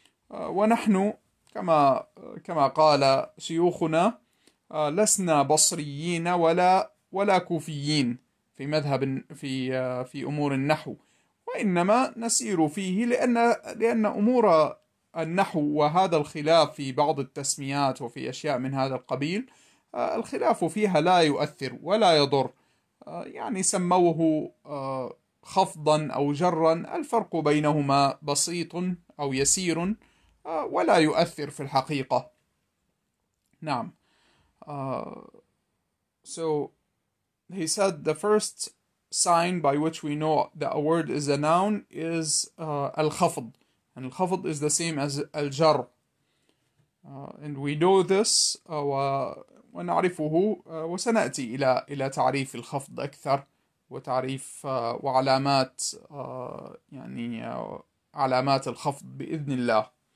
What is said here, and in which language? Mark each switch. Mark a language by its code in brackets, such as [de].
[ar] ونحن كما قال شيوخنا لسنا بصريين ولا كوفيين في أمور النحو، وإنما نسير فيه لأن أمور النحو وهذا الخلاف في بعض التسميات وفي أشياء من هذا القبيل، الخلاف فيها لا يؤثر ولا يضر، يعني سموه خفضا أو جرا، الفرق بينهما بسيط أو يسير ولا يؤثر في الحقيقة. نعم. [en] So he said the first sign by which we know that a word is a noun is الخفض. And الخفض is the same as الجر. And we know this [ar] ونعرفه وسنأتي إلى تعريف الخفض أكثر وتعريف وعلامات يعني علامات الخفض بإذن الله.